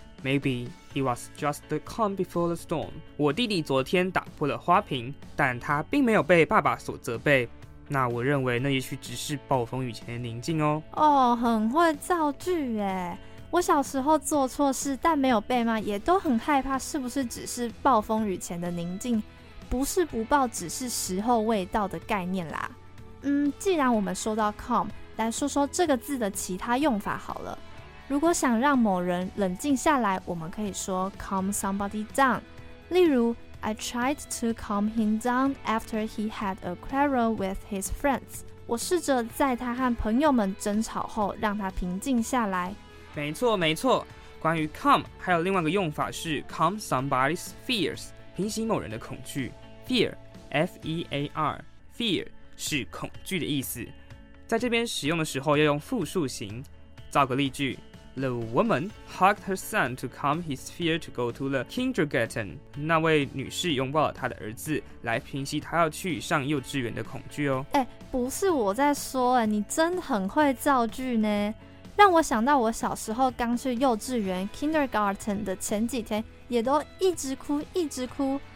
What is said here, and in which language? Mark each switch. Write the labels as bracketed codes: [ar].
[en] Maybe he was just the calm before the storm. [zh] 我弟弟昨天打破了花瓶，但他并没有被爸爸所责备。那我认为那也许只是暴风雨前的宁静哦。哦，很会造句耶。我小时候做错事但没有被骂，也都很害怕是不是只是暴风雨前的宁静，不是不报只是时候未到的概念啦。既然我们说到 calm， 来说说这个字的其他用法好了。如果想让某人冷静下来，我们可以说 [en] calm somebody down。 [zh] 例如 [en] I tried to calm him down after he had a quarrel with his friends。 [zh] 我试着在他和朋友们争吵后让他平静下来。没错，关于 calm 还有另外一个用法是 [en] calm somebody's fears， [zh] 平息某人的恐惧。 fear， F-E-A-R， fear 是恐惧的意思，在这边使用的时候要用复数型。造个例句， [en] The woman hugged her son to calm his fear to go to the kindergarten. [zh] 那位女士拥抱了她的儿子，来平息她要去上幼稚园的恐惧哦。不是我在说，你真很会造句呢。让我想到我小时候刚去幼稚园 kindergarten 的前几天，也都一直哭。